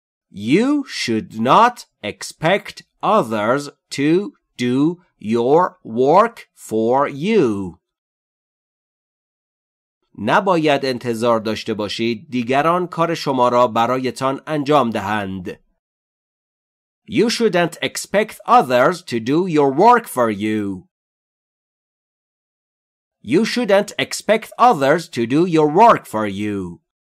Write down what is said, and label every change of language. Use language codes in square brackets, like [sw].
[en] You should not expect others to do your work for you. [fa] نباید انتظار داشته باشید دیگران کار شما را برایتان انجام دهند. [en] You shouldn't expect others to do your work for you. You shouldn't expect others to do your work for you.